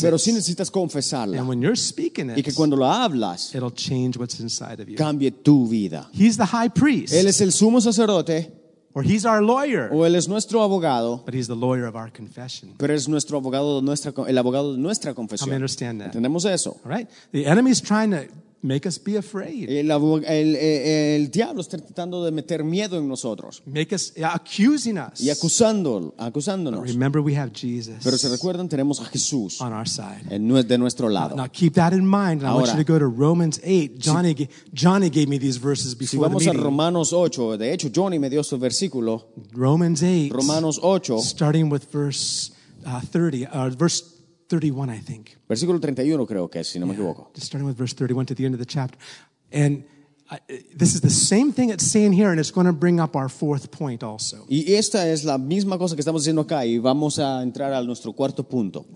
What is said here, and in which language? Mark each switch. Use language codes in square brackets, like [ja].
[es] pero sí necesitas confesarla. [en] And when you're speaking it, [es] y que cuando lo hablas, [en] it'll change what's inside of you. [es] Cambie tu vida. [en] He's the high priest. [es] Él es el sumo sacerdote. [en] Or he's our lawyer. [es] O él es nuestro abogado. [en] But he's the lawyer of our confession. [es] Pero es nuestro abogado, el abogado de nuestra confesión. [en] How many understand that? [es] ¿Entendemos eso? [en] All right? The enemy's trying to make us be afraid. [es] El diablo está tratando de meter miedo en nosotros. [en] Make us accusing us. [es] Y acusándonos. [en] But remember, we have Jesus. [es] Pero se recuerdan, tenemos a Jesús [en] on our side. [es] De nuestro lado. [en] Now keep that in mind. And [es] ahora, [en] I want you to go to Romans 8. Johnny gave me these verses before. [es] Si vamos [en] the meeting. [es] A Romanos 8, de hecho, Johnny me dio su versículo. [en] Romans 8. [es] Romanos 8. [en] Starting with verse 31, I think. [es] Versículo 31, creo que es, si no me equivoco. [en] Just starting with verse 31 to the end of the chapter. And this is the same thing it's saying here, and it's going to bring up our fourth point also. [es] Y esta es la misma cosa que estamos diciendo acá, y vamos a entrar a nuestro cuarto punto.